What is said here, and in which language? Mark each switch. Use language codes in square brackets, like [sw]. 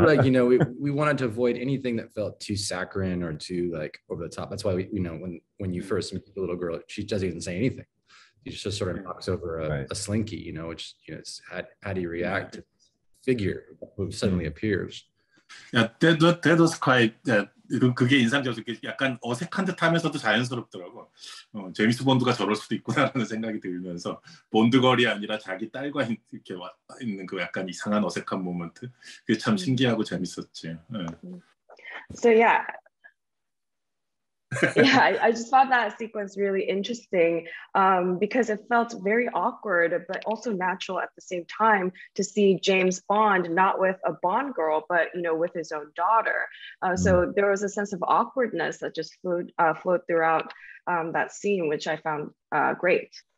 [en] Like, you know, we wanted to avoid anything that felt too saccharine or too like over the top. That's why we, you know, when you first meet the little girl, she doesn't even say anything. She just sort of knocks over a slinky, you know, which, you know, it's how do you react to this figure who suddenly appears? Yeah, that was quite. [ko] Yeah, 그게 인상적이었고 약간 어색한 듯하면서도 자연스럽더라고. 제임스 본드가 저럴 수도 있구나라는 생각이 들면서 본드걸이 아니라 자기 딸과 이렇게 와 있는 그 약간 이상한 어색한 모먼트. 그게 참 신기하고 재밌었지. [en] So yeah. Yeah, I just found that sequence really interesting because it felt very awkward, but also natural at the same time to see James Bond not with a Bond girl, but, you know, with his own daughter. So there was a sense of awkwardness that just flowed throughout that scene, which I found great.